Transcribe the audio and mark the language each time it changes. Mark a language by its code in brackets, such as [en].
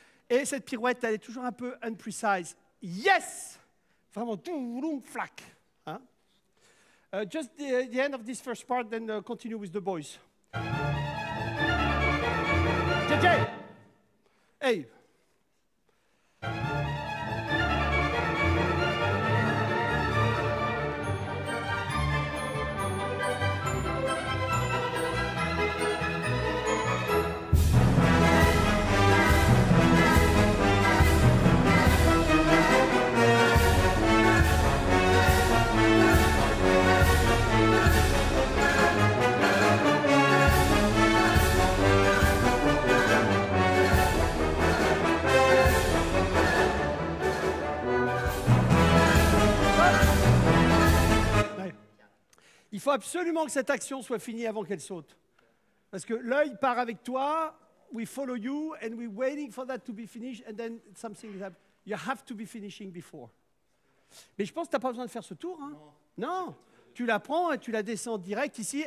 [fr] Et cette pirouette, elle est toujours un peu imprecise. Yes! Vraiment, doum, flac. [en] Just the end of this first part, then continue with the boys. JJ! Hey! [fr] Il faut absolument que cette action soit finie avant qu'elle saute. Parce que l'œil part avec toi, [en] we follow you and we're waiting for that to be finished and then something is happening. You have to be finishing before. [fr] Mais je pense que tu n'as pas besoin de faire ce tour. Hein? Non. Tu la prends et tu la descends direct ici.